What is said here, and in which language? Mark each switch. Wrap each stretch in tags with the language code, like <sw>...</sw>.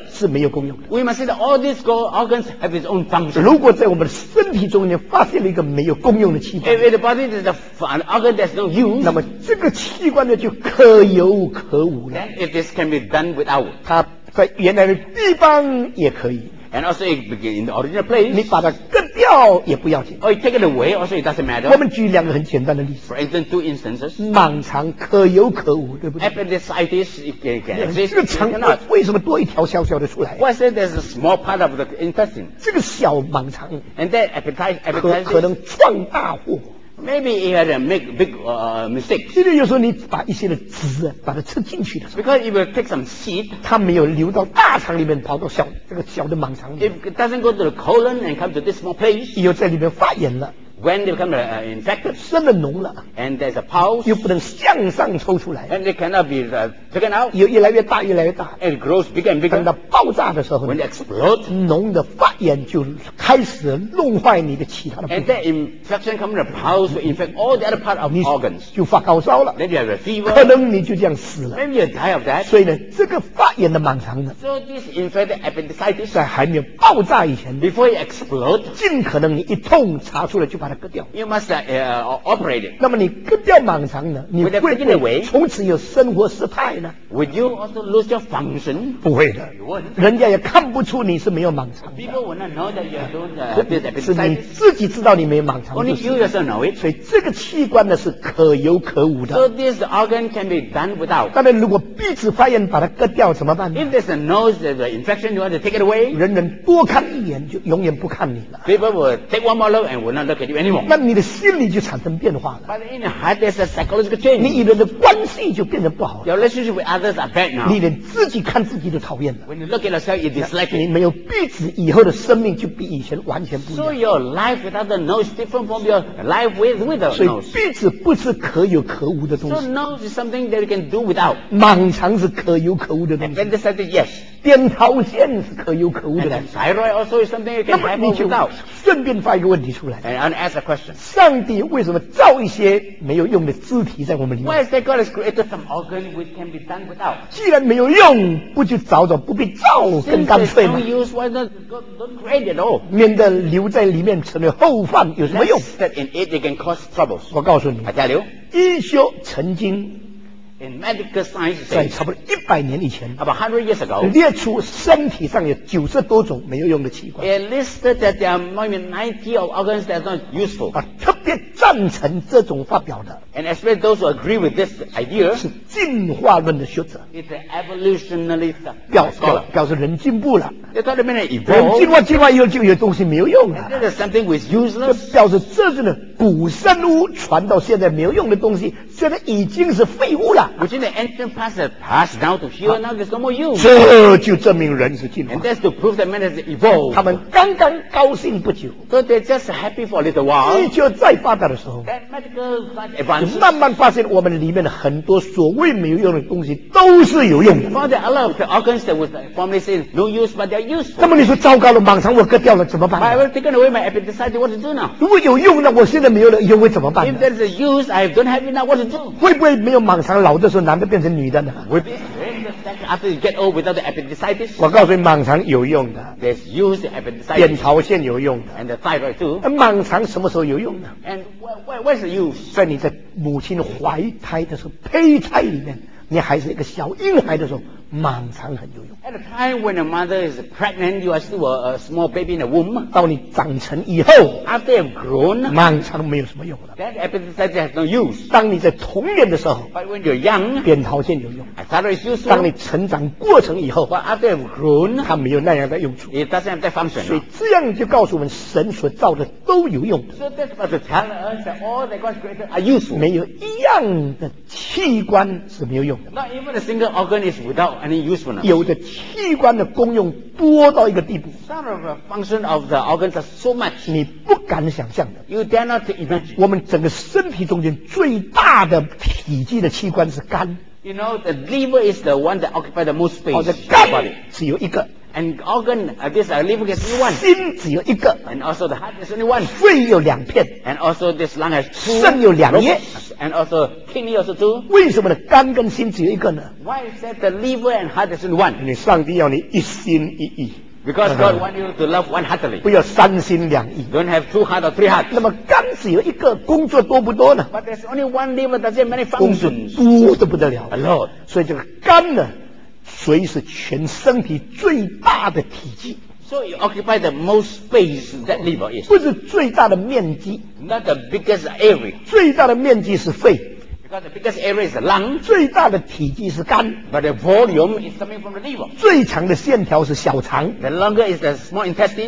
<zh>是没有功用的。</zh> <en>We must say that all these organs have its own function.</en> <zh>如果在我们身体中间发现了一个没有功用的器官</zh> <en>，If the body is an organ that's no use,</en> <zh>那么这个器官呢就可有可无了。</zh> <en>If this can be done without,</en> <zh>它在原来的地方也可以。</zh> <en>And also, it begins in the original place.</en> <zh>你把它割掉也不要紧。</zh> <en>Or you take it away, also it doesn't matter.</en> <zh>我们举两个很简单的例子。</zh> <en>For instance, two instances.</en> <zh>盲肠可有可无，对不对</zh> <en>？Appendicitis can exist.</en> <zh>这个肠为什么多一条小小的出来</zh> <en>？Why is there a small part of the intestine?</en> <zh>这个小盲肠</zh> <en>，and that appendicitis</en> <zh>可能撞大祸。</zh> <en>Maybe he had a big mistake.</en> <zh>因为有时候你把一些的籽把它吃进去的时候</zh> <en>，because it will take some seed.</en> <zh>它没有流到大肠里面，跑到小这个小的盲肠里面。</zh> <en>If it doesn't go to the colon and come to this small place,</en> <zh>又在里面发炎了。</zh> <en>When they become infected,</en> <zh>生了脓了</zh> <en>，and there's a pulse,</en> <zh>又不能向上抽出来</zh> <en>，and it cannot be taken out,</en> <zh>又越来越大，越来越大</zh> <en>，and it grows bigger and bigger.</en> <zh>等到爆炸的时候</zh> <en>，when it explodes,</en> <zh>脓的发炎就开始弄坏你的其他的部分</zh> <en>，and that infection comes from the pulse will infect all the other part of organs.</en> <zh>就发高烧了</zh> <en>，then you have a fever.</en> <zh>可能你就这样死了</zh> <en>，maybe you die of that.</en> <zh>所以呢，这个发炎的盲肠呢</zh> <en>，so this infected appendicitis</en> <zh>在还没有爆炸以前</zh> <en>，before it explodes,</en> <zh>尽可能你一痛查出来就把它。</zh> <en>You must operate it.</en> <zh>那么你割掉盲肠呢？你会不会从此有生活失态呢</zh> <en>？Would you also lose your function?</en> <zh>不会的。人家也看不出你是没有盲肠的。</zh> <en>People will not know that you don't have appendicitis.</en> <zh>是你自己知道你没有盲肠。</zh> <en>Only you yourself know it.</en> <zh>所以这个器官呢是可有可无的。</zh> <en>So this organ can be done without.</en> <zh>当然，如果鼻子发炎把它割掉怎么办</zh> <en>？If there's a nose the infection, you want to take it away.</en> <zh>人人多看一眼就永远不看你了。</zh> <en>People will take one more look and will not look at you.</en> <zh>那你的心理就产生变化了。</zh> <en>But in your heart, there's a psychological change.</en> <zh>你与人的关系就变得不好了。</zh> <en>Your relationship with others are bad now.</en> <zh>你连自己看自己都讨厌了。</zh> <en>When you look at yourself, you dislike it.</en> <zh>你没有鼻子以后的生命就比以前完全不一样。</zh> <en>So your life without the nose is different from your life with the nose.</en> <zh>所以鼻子不是可有可无的东西。</zh> <en>So nose is something that you can do without.</en> <zh>盲肠是可有可无的东西。</zh> <en>And then they said yes.</en> <zh>扁桃腺是可有可无的。</zh> <en>Thyroid also is something you can have or without.</en> <zh>那么你就顺便发一个问题出来。</zh> <en>And ask a question.</en> <zh>上帝为什么造一些没有用的肢体在我们里面</zh> <en>？Why is that God has created some organ which can be done without?</en> <zh>既然没有用，不就找找不必造更干脆吗</zh> <en>？Since it's no use, why don't create it all?</en> <zh>免得留在里面成为后患，有什么用</zh> <en>？That in it it can cause troubles.</en> <zh>我告诉你，阿加流，医学曾经。</zh> <en>In medical science,</en> <zh>在差不多100年以前</zh> <en>，about 100 years ago，</en> <zh>列出身体上有90多种没有用的器官。</zh> <en>It listed that there are more than 90 of organs that are not useful。</en> <zh>啊，特别赞成这种发表的</zh> <en>，and especially those who agree with this idea，</en> <zh>是进化论的学者。</zh> <en>It's an evolutionist。</en> <zh>表示人进步了。</zh> <en>It thought it meant evolved。</en> <zh>人进化以后就有东西没有用了。</zh> <en>And that is something was useless。</en> <zh>就表示这是呢古生物传到现在没有用的东西，现在已经是废物了。</zh> <en>Which in the ancient past has passed down to here, now there's no more use.</en> <zh>这就证明人是进化。</zh> <en>And that's to prove that man has evolved.</en> <zh>他们刚刚高兴不久。</zh> <en>So they're just happy for a little while.</en> <zh>医学再发达的时候。</zh> <en>That medical advances.</en> <zh>慢慢发现我们里面的很多所谓没有用的东西都是有用的。</zh> <en>Found that a lot of the organs that was formerly said no use, but they're useful.</en> <zh>那么你说糟糕了，盲肠我割掉了怎么办</zh> <en>？I will take away my appendicitis. What to do now?</en> <zh>如果有用了，我现在没有了，又会怎么办</zh> <en>？If there's a use, I don't have it now. What to do?</en> <zh>会不会没有盲肠老？这时候男的变成女的呢</zh> <en>？With after you get old without the appendicitis，</en> <zh>我告诉你，盲肠有用的。</zh> <en>There's use the appendicitis。</en> <zh>扁桃腺有用的。</zh> <en>And the thyroid too。</en> <zh>那盲肠什么时候有用呢</zh> <en>？And where's the use？</en> <zh>在你在母亲怀胎的时候，胚胎里面，你还是一个小婴孩的时候，盲肠很有用。</zh> <en>At the time when a mother is pregnant, you are still a small baby in the womb。</en> <zh>到你长成以后</zh> <en>，after you've grown，</en> <zh>盲肠没有什么用了。</zh> <en>That appendicitis has no use。</en> <zh>当你在童年的时候</zh> <en>，but when you're young，</en> <zh>扁桃腺有用。</zh> <en>Thyroid is useful。</en> <zh>当你成长过程以后</zh> <en>，but after you've grown，</en> <zh>它没有那样的用处。</zh> <en>It doesn't have that function。</en> <zh>所以这样就告诉我们，神所造的都有用的。</zh> <en>So that's about to tell us that all that God's created are useful。</en> <zh>没有一样的器官是没有用的。</zh> <en>Not even a single organ is without any usefulness。</en> <zh>有的器官的功用多到一个地步</zh> <en>，some of the function of the organs are so much，</en> <zh>你不敢想象的。</zh> <en>You dare not imagine。</en> <zh>我们整个身体中间最大的体积的器官是肝。</zh> <en>You know the liver is the one that occupies the most space。</en> <zh>哦，这肝只有一个。</zh> <en>And organ, this liver is only one.</en> <zh>心只有一个。</zh> <en>And also the heart is only one.</en> <zh>肺有两片。</zh> <en>And also this lung has two.</en> <zh>肾有两叶。</zh> <en>And also kidney also two.</en> <zh>为什么呢？肝跟心只有一个呢？</zh> <en>Why is that the liver and heart is only one?</en> <zh>你上帝要你一心一意。</zh> <en>Because God wants you to love one heartily.</en> <zh>不要三心两意。</zh> <en>Don't have two hearts or three hearts.</en> <zh>那么肝只有一个，工作多不多呢？</zh> <en>But there's only one liver, does it have many functions?</en> <zh>工作多得不得了。</zh> <en>A lot.</en> <zh>所以这个肝呢，所以是全身体最大的体积。</zh> <en>So you occupy the most space that liver is.</en> <zh>不是最大的面积。</zh> <en>Not the biggest area.</en> <zh>最大的面积是肺。</zh> <en>Because the biggest area is the lung.</en> <zh>最大的体积是肝。</zh> <en>But the volume is coming from the liver.</en> <zh>最长的线条是小肠。</zh> <en>The longer is the small intestine.</en>